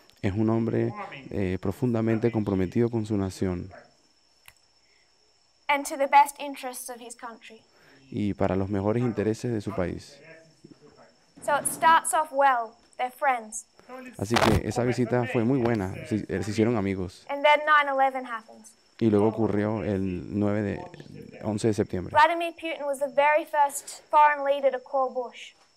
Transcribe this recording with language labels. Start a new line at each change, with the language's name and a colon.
Spanish: Es un hombre profundamente comprometido con su nación.
English: And to the best interests of his country.
Spanish: Y para los mejores intereses de su país.
English: So it starts off well. They're friends.
Spanish: Así que esa visita fue muy buena. Se hicieron amigos.
English: And then 9/11 happens.
Spanish: Y luego ocurrió el 11 de septiembre.
English: Vladimir Putin was the very first foreign leader to call Bush.